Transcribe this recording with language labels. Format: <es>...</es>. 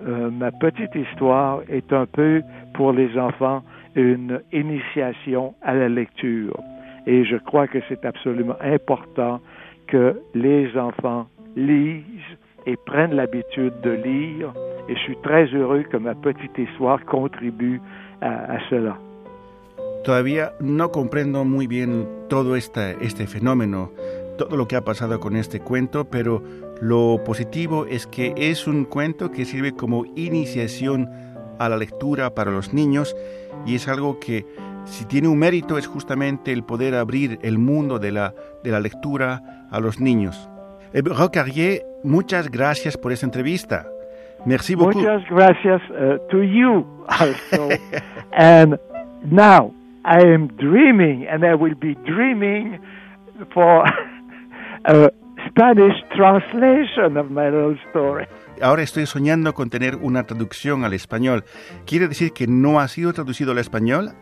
<fr>Ma petite histoire est un peu pour les enfants une initiation à la lecture. Et je crois que c'est absolument important que les enfants lisent et prennent l'habitude de lire. Et je suis très heureux que ma petite histoire contribue à cela.</fr> <es>Todavía no comprendo muy bien todo este fenómeno, todo lo que ha pasado con este cuento, pero lo positivo es que es un cuento que sirve como iniciación a la lectura para los niños y es algo que Si tiene un mérito es justamente el poder abrir el mundo de la lectura a los niños. Hébert Carrier, muchas gracias por esta entrevista.</es> <fr>Merci beaucoup.</fr> <es>Muchas gracias</es> <en>to you also. And now I am dreaming and I will be dreaming for a Spanish translation of my little story.</en> <es>Ahora estoy soñando con tener una traducción al español. ¿Quiere decir que no ha sido traducido al español?</es>